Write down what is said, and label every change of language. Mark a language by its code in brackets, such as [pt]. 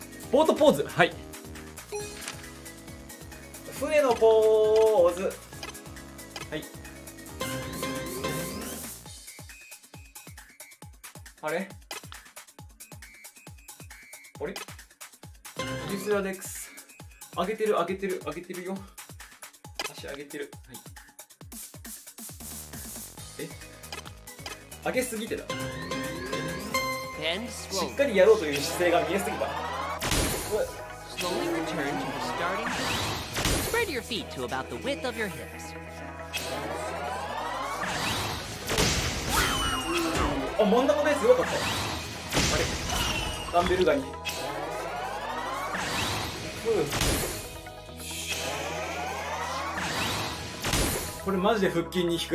[ja] ボートポーズ、はい、船のポーズ、はい、あれあれユスラデックス上げてる上げてる上げてるよ、足上げてる、はい、え、上げすぎてた、しっかりやろうという姿勢が見えすぎた。 [en] Slowly return to the starting position. Spread your feet to about the width of your hips. [ja] あ、真ん中のやつよかった。あれダンベルガニ、これマジで腹筋に効く。